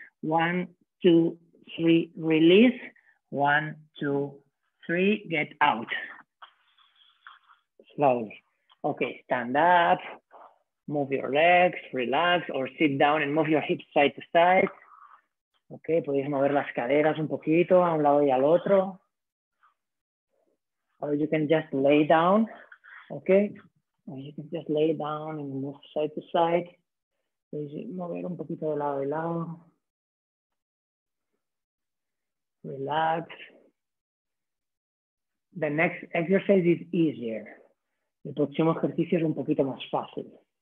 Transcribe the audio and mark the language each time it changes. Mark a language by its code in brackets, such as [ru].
[en] One, two, three, release. One, two, three, get out. Slowly. Okay, stand up. Move your legs, relax, or sit down and move your hips side to side. [es] Okay, podéis mover las caderas un poquito a un lado y al otro. [en] Or you can just lay down, okay? Or you can just lay down and move side to side. [es] Podéis mover un poquito de lado y lado. [en] Relax. The next exercise is easier. [es] El próximo ejercicio es un poquito más fácil.